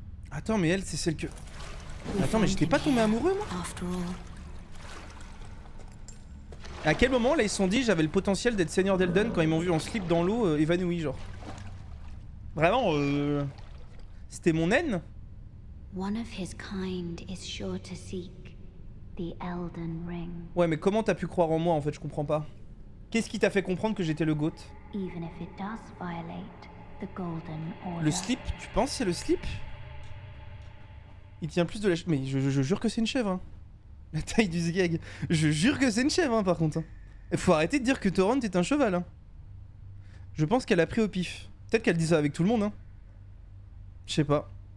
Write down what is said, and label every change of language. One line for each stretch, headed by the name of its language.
French: Attends, mais elle, c'est celle que... Attends, mais j'étais pas tombé amoureux, moi? À quel moment, là, ils se sont dit j'avais le potentiel d'être seigneur d'Elden quand ils m'ont vu en slip dans l'eau, évanoui, genre. Vraiment, C'était mon haine?
English: One of his kind is sure to seek the Elden Ring.
French: Ouais, mais comment t'as pu croire en moi en fait, je comprends pas. Qu'est-ce qui t'a fait comprendre que j'étais le goat?
English: Even if it does violate the golden order.
French: Le slip, tu penses c'est le slip? Il tient plus de la chèvre. Mais je jure que c'est une chèvre. Hein. La taille du zgeg. Je jure que c'est une chèvre hein, par contre. Hein. Faut arrêter de dire que Torrent est un cheval. Hein. Je pense qu'elle a pris au pif. Peut-être qu'elle dit ça avec tout le monde. Hein. Je sais pas.